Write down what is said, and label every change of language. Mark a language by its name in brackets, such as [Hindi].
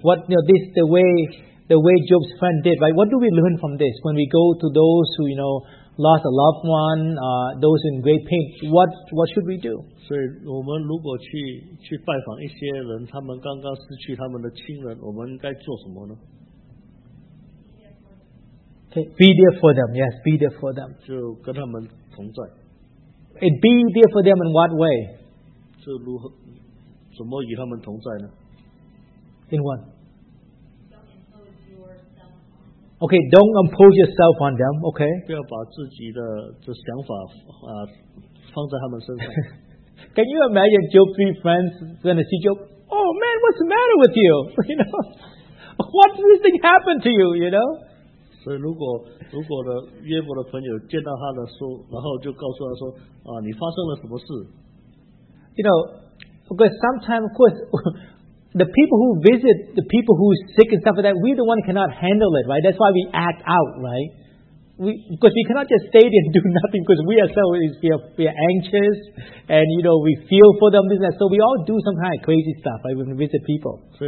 [English] What, you know, this the way Job's friend did, right? What do we learn from this when we go to those who, you know, lost a loved one, those in great pain? What should we do? [Chinese] 所以我们如果去拜访一些人，他们刚刚失去他们的亲人，我们该做什么呢？ [English] Okay, be there for them. Yes, be there for them. [Chinese] 就跟他们同在。 [English] And be there for them in what way? [Chinese] 就如何怎么与他们同在呢？ [English] In what? Okay, don't impose yourself on them. Okay. [Chinese] 不要把自己的这想法放在他们身上。 [English] Can you imagine Job's three friends going to see Job? Oh man, what's the matter with you? You know, what does this thing happen to you, you know? [Chinese] 所以如果约伯的朋友见到他的时候，然后就告诉他说，啊，你发生了什么事？ [English] You know, because sometimes, of course, the people who visit, the people who are sick and stuff like that, we're the one who cannot handle it, right? That's why we act out, right? Because we cannot just stay there and do nothing, because we ourselves, we are anxious, and you know, we feel for them, so we all do some kind of crazy stuff, right, when we visit people.